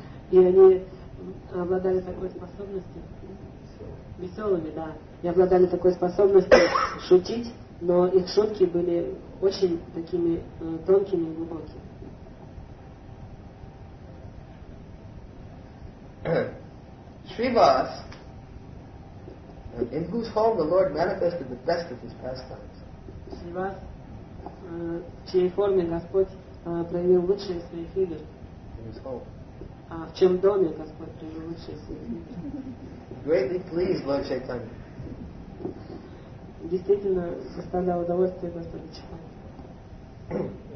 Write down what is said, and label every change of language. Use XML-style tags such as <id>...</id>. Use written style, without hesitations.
<ru>И они обладали такой способностью. Веселыми, да. И обладали такой способностью шутить, но их шутки были очень такими тонкими и глубокими.</ru> <en>Shrivas, in whose home the Lord manifested the best of his pastimes.</en> <ru>Shrivas, в чьей форме Господь проявил лучшие свои игры.</ru> <en>In his home.</en> <ru>А в чем доме Господь проявил лучшие свои игры?</ru> <en>Greatly pleased Lord Chaitanya.</en> <ru>Действительно, составляло удовольствие Господу Чайтанье.</ru>